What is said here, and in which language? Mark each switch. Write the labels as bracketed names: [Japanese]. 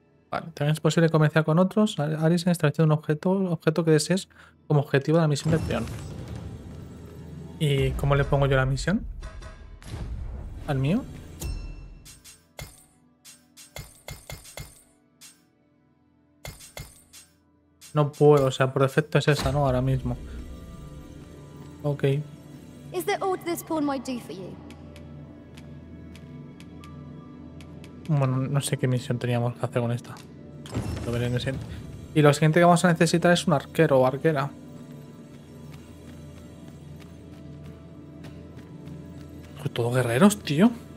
[Spanish] Vale, también es posible comerciar con otros Arisen estableciendo un objeto que desees como objetivo de la misión del peón. ¿Y cómo le pongo yo la misión? ¿Al mío? No puedo, o sea, por defecto es esa, ¿no? Ahora mismo. Ok. [English] Is there aught this pawn might do for you? [Spanish] Bueno, no sé qué misión teníamos que hacer con esta. Lo veré en el siguiente. Y lo siguiente que vamos a necesitar es un arquero o arquera. Todo guerreros, tío.